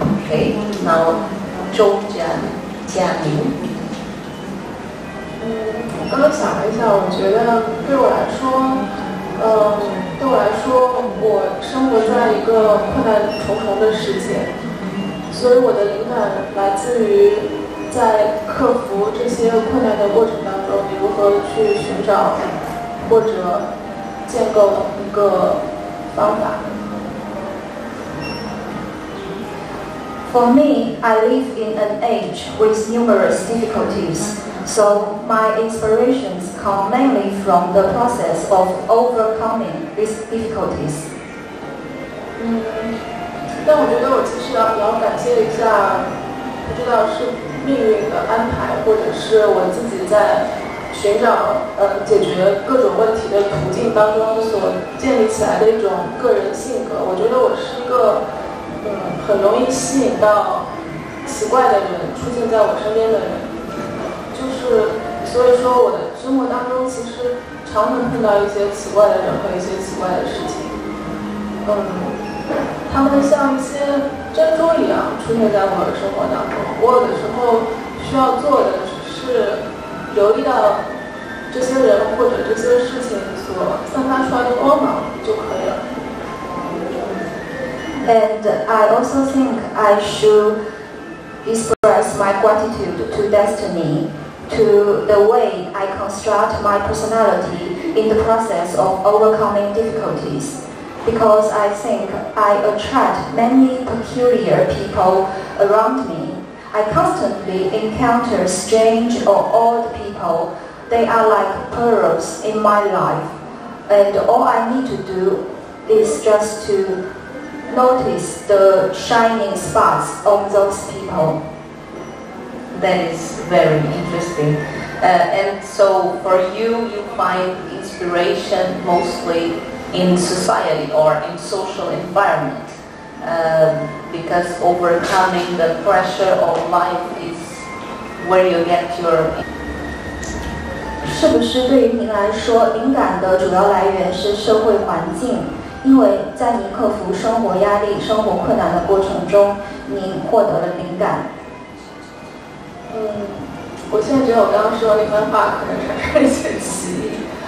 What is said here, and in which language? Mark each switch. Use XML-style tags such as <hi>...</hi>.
<en>Okay, now</en> <zh>Zhou Jianing. 我刚刚想了一下，我觉得对我来说，我生活在一个困难重重的世界，所以我的灵感来自于在克服这些困难的过程当中，你如何去寻找或者建构一个方法？</zh> <en>For me, I live in an age with numerous difficulties, so my inspirations come mainly from the process of overcoming these difficulties.</en> <zh>但我觉得我其实要比较感谢一下，不知道是命运的安排，或者是我自己在寻找解决各种问题的途径当中所建立起来的一种个人性格。我觉得我是一个很容易吸引到奇怪的人出现在我身边的人，就是所以说我的生活当中其实常能碰到一些奇怪的人和一些奇怪的事情。他们像一些珍珠一样出现在我的生活当中，我有的时候需要做的只是留意到这些人或者这些事情所散发出来的光芒就可以了。</zh> <en>And I also think I should express my gratitude to destiny, to the way I construct my personality in the process of overcoming difficultiesBecause I think I attract many peculiar people around me. I constantly encounter strange or odd people. They are like pearls in my life. And all I need to do is just to notice the shining spots of those people. That is very interesting. And so for you, you find inspiration mostly... in society or in social environment, because overcoming the pressure of life is where you get your...</en> <zh>是不是对于您来说，灵感的主要来源是社会环境？因为在您克服生活压力、生活困难的过程中，您获得了灵感。我现在觉得我刚刚说那番话可能产生了一些歧义。</zh>